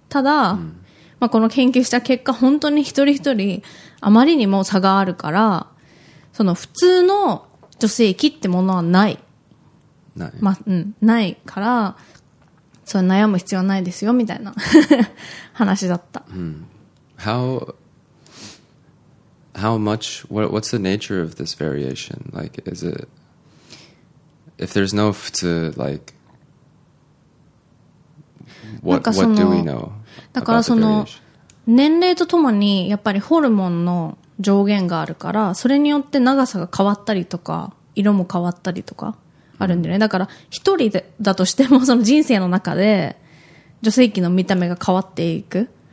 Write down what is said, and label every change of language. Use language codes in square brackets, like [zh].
[ja] ただ、まあ、この研究した結果、本当に一人一人あまりにも差があるから、その普通の女性器ってものはない、ない、まあ、うん、ないから、それ悩む必要ないですよみたいな話だった。 [en] How much, what's the nature of this variation? Like, is it, if there's no 普通, like, What do we know? [ja] だからその年齢とともにやっぱりホルモンの上限があるからそれによって長さが変わったりとか色も変わったりとかあるんだよね、うん、だから一人でだとしてもその人生の中で女性器の見た目が変わっていく、